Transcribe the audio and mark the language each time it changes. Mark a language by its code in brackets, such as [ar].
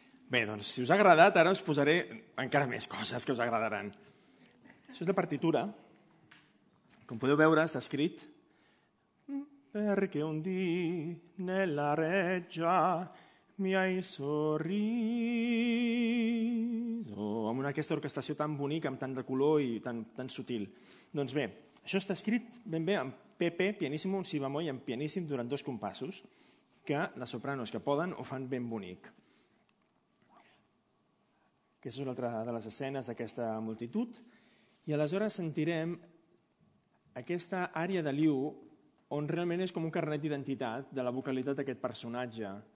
[ca] Bé, doncs, si us ha agradat, ara us posaré encara més coses que us agradaran. Això és la partitura. Com podeu veure, està escrit... [it] Perquè un dia, nella reggia, mi hai sorriso... [ca] Amb aquesta orquestació tan bonica, amb tant de color i tan sutil. Doncs bé, això està escrit ben bé amb... Pepe, pianíssimo, un si bemoll en pianíssim durant dos compassos, que les sopranos que poden ho fan ben bonic. Aquesta és una altra de les escenes d'aquesta multitud. I aleshores sentirem aquesta àrea de Liu, on realment és com un carnet d'identitat de la vocalitat d'aquest personatge.